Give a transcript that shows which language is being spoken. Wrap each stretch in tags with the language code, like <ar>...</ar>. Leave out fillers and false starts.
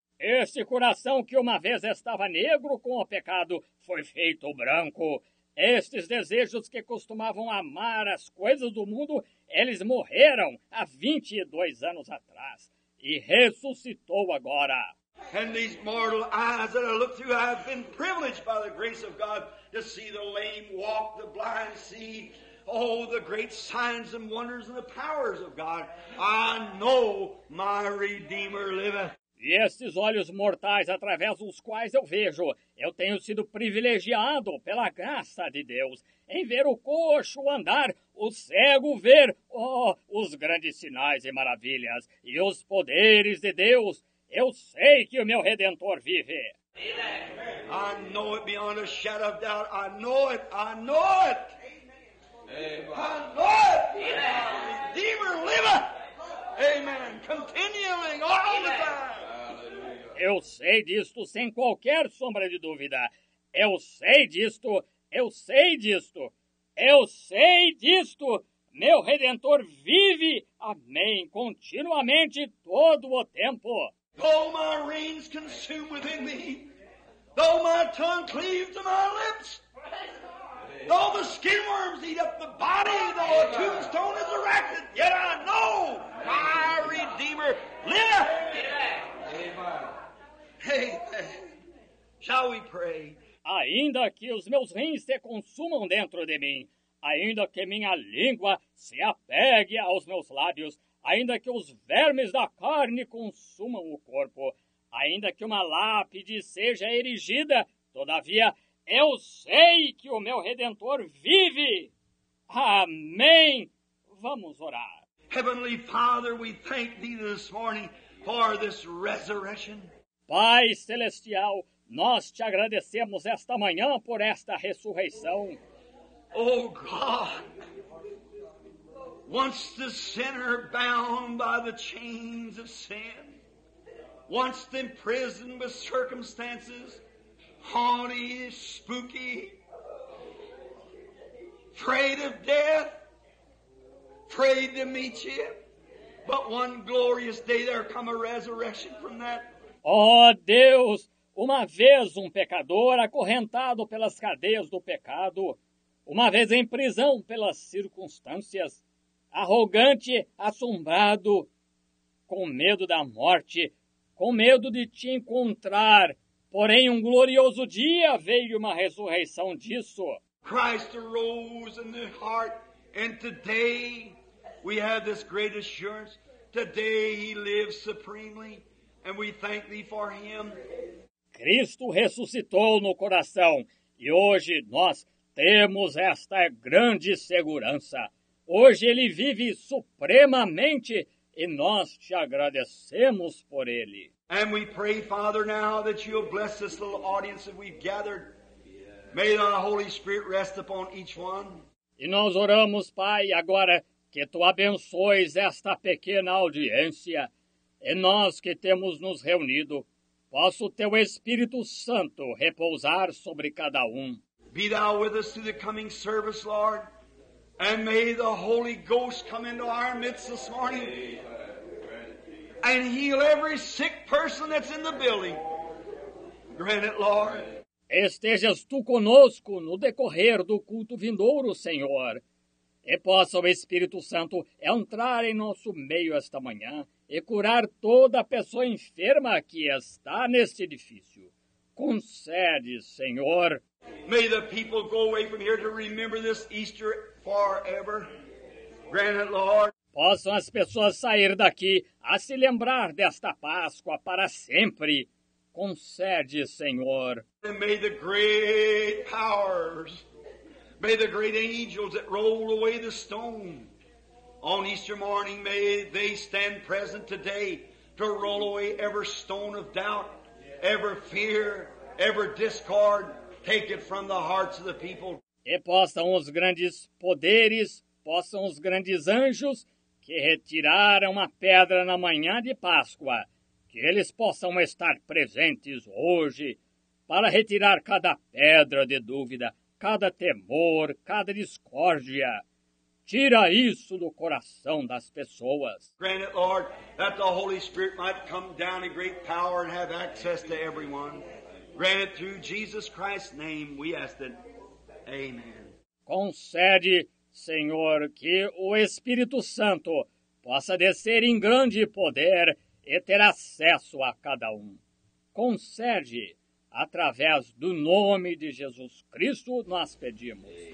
<pt>Este coração que uma vez estava negro com o pecado foi feito branco. Estes desejos que costumavam amar as coisas do mundo, eles morreram há 22 anos atrás e ressuscitou agora.</pt> <en>And these mortal eyes that I look through, I've been privileged by the grace of God to see the lame walk, the blind see. Oh, the great signs and wonders and the powers of God. I know my Redeemer liveth.</en> <pt>E estes olhos mortais através dos quais eu vejo, eu tenho sido privilegiado pela graça de Deus em ver o coxo andar, o cego ver, oh, os grandes sinais e maravilhas e os poderes de Deus. Eu sei que o meu Redentor vive.</pt> <en>I know it beyond a shadow of doubt. I know it. I know it. Amen. I know it. Amen. Redeemer liveth. Amen. Continuing all the time.</en> <pt>Eu sei disto sem qualquer sombra de dúvida. Eu sei disto. Eu sei disto. Eu sei disto. Meu Redentor vive, amém, continuamente, todo o tempo.</pt> <en>Though my reins consume within me, though my tongue cleave to my lips, though the skin worms eat up the body, though a tombstone is erected, yet I know my Redeemer liveth. Shall we pray?</en> <pt>Ainda que os meus rins se consumam dentro de mim, ainda que minha língua se apegue aos meus lábios, ainda que os vermes da carne consumam o corpo, ainda que uma lápide seja erigida, todavia eu sei que o meu Redentor vive. Amém. Vamos orar.</pt> <en>Heavenly Father, we thank thee this morning for this resurrection.</en> <pt>Pai Celestial, nós te agradecemos esta manhã por esta ressurreição.</pt> <en>Oh, God, once the sinner bound by the chains of sin, once imprisoned with circumstances, haughty, spooky, afraid of death, afraid to meet you, but one glorious day there come a resurrection from that.</en> <pt>Oh, Deus, uma vez um pecador acorrentado pelas cadeias do pecado, Uma vez em prisão pelas circunstâncias, arrogante, assombrado, com medo da morte, com medo de te encontrar. Porém, um glorioso dia veio uma ressurreição disso.</pt> <en>Christ arose in the heart, and today we have this great assurance. Today he lives supremely, and we thank thee for him.</en> <pt>Cristo ressuscitou no coração, e hoje nós temos esta grande segurança. Hoje ele vive supremamente, e nós te agradecemos por ele.</pt> <en>And we pray, Father, now that you'll bless this little audience that we've gathered. May the Holy Spirit rest upon each one.</en> <pt>E nós oramos, Pai, agora que tu abençoes esta pequena audiência. E nós que temos nos reunido, possa o teu Espírito Santo repousar sobre cada um.</pt> <en>Be thou with us through the coming service, Lord. And may the Holy Ghost come into our midst this morning. And heal every sick person that's in the building. Grant it, Lord.</en> <pt>Estejas tu conosco no decorrer do culto vindouro, Senhor. E possa o Espírito Santo entrar em nosso meio esta manhã e curar toda pessoa enferma que está neste edifício. Concede, Senhor.</pt> <en>May the people go away from here to remember this Easter forever. Grant it, Lord.</en> <pt>Possam as pessoas sair daqui a se lembrar desta Páscoa para sempre. Concede, Senhor.</pt> <en>And may the great powers, may the great angels that roll away the stone on Easter morning, may they stand present today to roll away every stone of doubt, every fear, every discord, take it from the hearts of the people.</en> <pt>E possam os grandes poderes, possam os grandes anjos que retiraram a pedra na manhã de Páscoa, que eles possam estar presentes hoje para retirar cada pedra de dúvida, cada temor, cada discórdia. Tira isso do coração das pessoas.</pt> <en>Grant it, Lord, that the Holy Spirit might come down in great power and have access to everyone. Grant it through Jesus Christ's name, we ask it. Amen.</en> <pt>Concede, Senhor, que o Espírito Santo possa descer em grande poder e ter acesso a cada um. Concede, através do nome de Jesus Cristo, nós pedimos.</pt>